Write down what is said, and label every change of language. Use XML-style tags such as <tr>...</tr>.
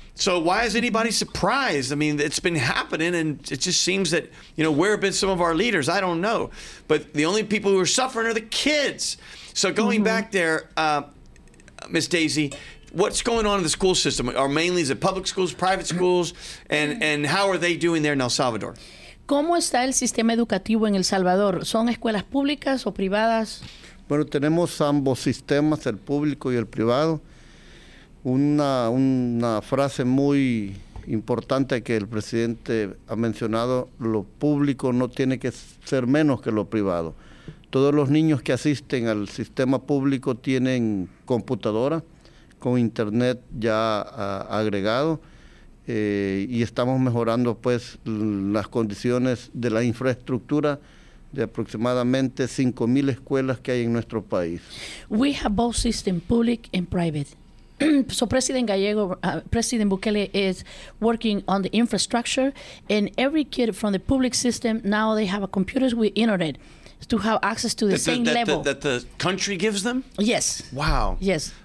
<en>So why is anybody surprised? I mean, it's been happening, and it just seems that, you know, where have been some of our leaders? I don't know. But the only people who are suffering are the kids. So going back there, Miss Daisy, what's going on in the school system? Are mainly, is it public schools, private schools, and how are they doing there in El Salvador?</en> <es>¿Cómo está el sistema educativo en El Salvador? ¿Son escuelas públicas o privadas? Bueno, tenemos ambos sistemas, el público y el privado. Una frase muy importante que el presidente ha mencionado, lo público no tiene que ser menos que lo privado. Todos los niños que asisten al sistema público tienen computadora con internet ya agregado, y estamos mejorando pues las condiciones de la infraestructura de aproximadamente 5,000 escuelas que hay en nuestro país.</es> <en>We have both system, public and private. So President Gallego, President Bukele is working on the infrastructure, and every kid from the public system, now they have a computers with internet to have access to the same level. That the country gives them? Yes. Wow. Yes.</en>